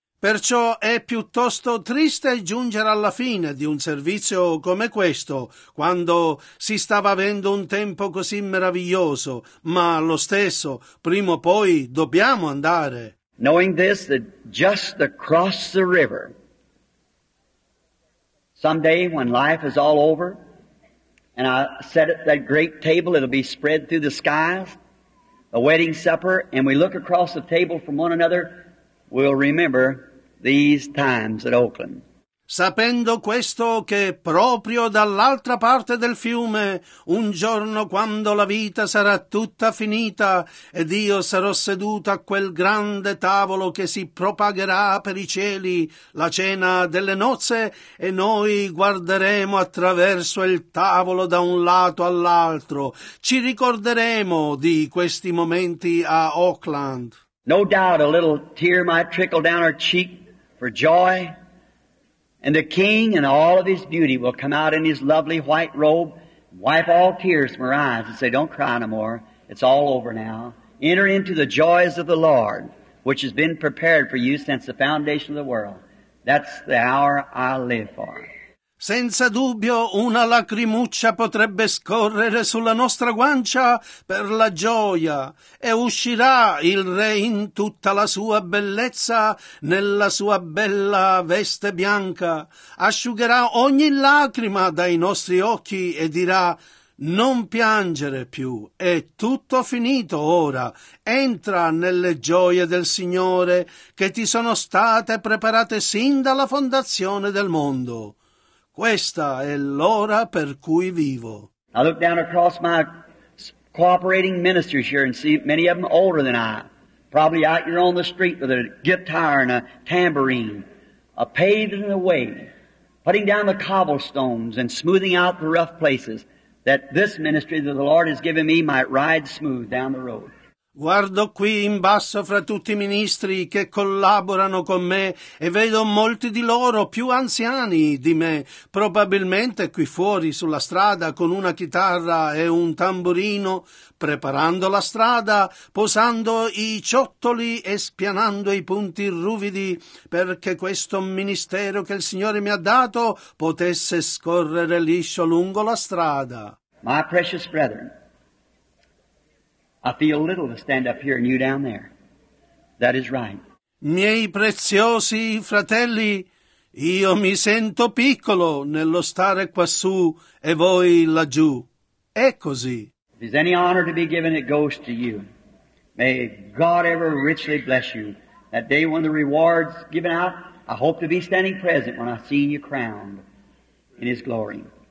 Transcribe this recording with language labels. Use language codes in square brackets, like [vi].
[it] Perciò è piuttosto triste giungere alla fine di un servizio come questo, quando si stava avendo un tempo così meraviglioso, ma lo stesso, prima o poi dobbiamo andare. [en] Knowing this, that just across the river, someday when life is all over, and I set at that great table, it'll be spread through the skies, a wedding supper, and we look across the table from one another, we'll remember these times at Oakland. [it] Sapendo questo che proprio dall'altra parte del fiume, un giorno quando la vita sarà tutta finita ed io sarò seduto a quel grande tavolo che si propagherà per i cieli, la cena delle nozze, e noi guarderemo attraverso il tavolo da un lato all'altro, ci ricorderemo di questi momenti a Oakland. [en] No doubt a little tear might trickle down our cheek for joy. And the king and all of his beauty will come out in his lovely white robe, wipe all tears from her eyes and say, don't cry no more. It's all over now. Enter into the joys of the Lord, which has been prepared for you since the foundation of the world. That's the hour I live for. [it] Senza dubbio una lacrimuccia potrebbe scorrere sulla nostra guancia per la gioia e uscirà il re in tutta la sua bellezza nella sua bella veste bianca, asciugherà ogni lacrima dai nostri occhi e dirà «Non piangere più, è tutto finito ora, entra nelle gioie del Signore che ti sono state preparate sin dalla fondazione del mondo». Questa è l'ora per cui vivo. [en] I look down across my cooperating ministers here and see many of them older than I. Probably out here on the street with a guitar and a tambourine, a paving the way, putting down the cobblestones and smoothing out the rough places that this ministry that the Lord has given me might ride smooth down the road. [it] Guardo qui in basso fra tutti i ministri che collaborano con me e vedo molti di loro più anziani di me, probabilmente qui fuori sulla strada con una chitarra e un tamburino, preparando la strada, posando i ciottoli e spianando i punti ruvidi perché questo ministero che il Signore mi ha dato potesse scorrere liscio lungo la strada. [en] My precious brethren, I feel little to stand up here and you down there. That is right. [it] Miei preziosi fratelli, io mi sento piccolo nello stare quassù e voi laggiù. È così. [en] If there's any honor to be given, it goes to you. May God ever richly bless you. That day when the reward's given out, I hope to be standing present when I see you crowned in His glory.